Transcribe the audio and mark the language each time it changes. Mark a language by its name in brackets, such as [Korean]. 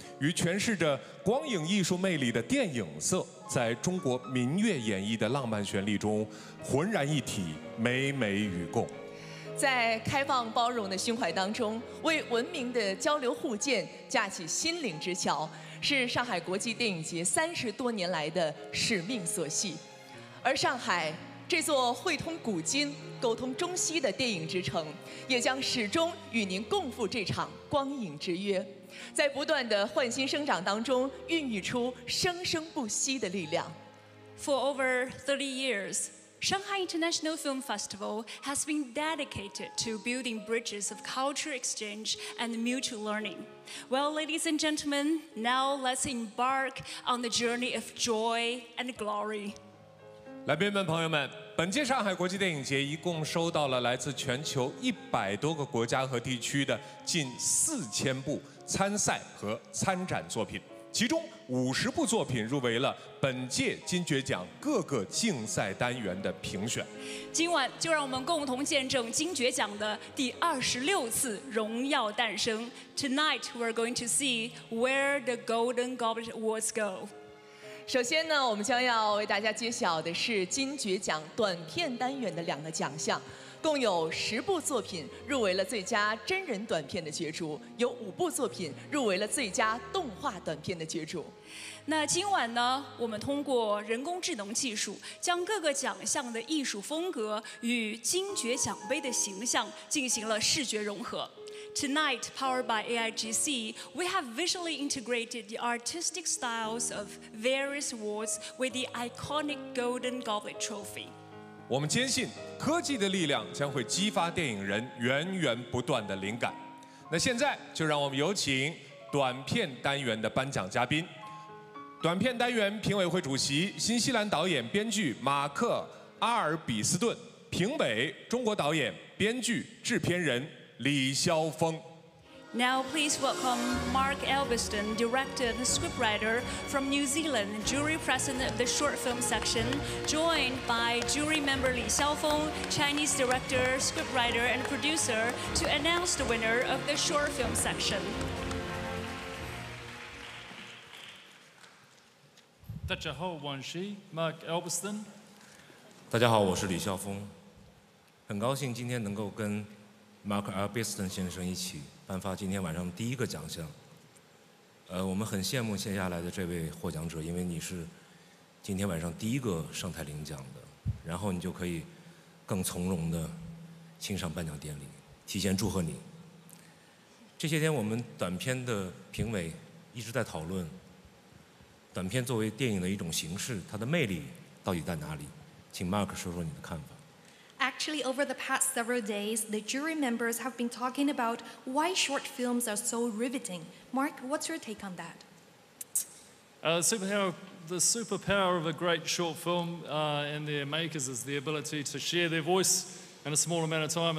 [Chinese] 与诠释着光影艺术魅力的电影色，在中国民乐演绎的浪漫旋律中浑然一体，美美与共。在开放包容的胸怀当中，为文明的交流互鉴架起心灵之桥，是上海国际电影节30多年来的使命所系。而上海这座汇通古今、沟通中西的电影之城，也将始终与您共赴这场光影之约。在不断的焕新生长当中孕育出生生不息的力量。 [English] For over 30 years, Shanghai International Film Festival has been dedicated to building bridges of cultural exchange and mutual learning. Well, ladies and gentlemen, now let's embark on the journey of joy and glory. [Chinese] 来宾们朋友们，本届上海国际电影节一共收到了来自全球100多个国家和地区的近4000部参赛和参展作品，其中50部作品入围了本届金爵奖各个竞赛单元的评选。今晚就让我们共同见证金爵奖的第26次荣耀诞生。 [English] Tonight we're going to see where the Golden Goblet Awards go. [Chinese] 首先呢，我们将要为大家揭晓的是金爵奖短片单元的两个奖项，共有10部作品入围了最佳真人短片的角逐，有5部作品入围了最佳动画短片的角逐。那今晚呢，我们通过人工智能技术将各个奖项的艺术风格与金爵奖杯的形象进行了视觉融合。 [English] Tonight, powered by AIGC, we have visually integrated the artistic styles of various awards with the iconic Golden Goblet Trophy. [Chinese] 我们坚信科技的力量将会激发电影人源源不断的灵感。那现在就让我们有请短片单元的颁奖嘉宾，短片单元评委会主席、新西兰导演编剧马克·阿尔比斯顿，评委中国导演、编剧、制片人李霄峰。 [English] Now please welcome Mark Elveston, director and scriptwriter from New Zealand, jury president of the short film section, joined by jury member Li Xiaofeng, Chinese director, scriptwriter, and producer, to announce the winner of the short film section. [Chinese] 大家好，我是 Mark Elveston。大家好，我是李霄峰，很高兴今天能够跟Mark Elveston 先生一起颁发今天晚上第一个奖项。我们很羡慕线下来的这位获奖者，因为你是今天晚上第一个上台领奖的，然后你就可以更从容地欣赏颁奖典礼，提前祝贺你。这些天我们短片的评委一直在讨论短片作为电影的一种形式，它的魅力到底在哪里，请 Mark 说说你的看法。 [English] Actually, over the past several days, the jury members have been talking about why short films are so riveting. Mark, what's your take on that? The superpower of a great short film and their makers is the ability to share their voice in a small amount of time.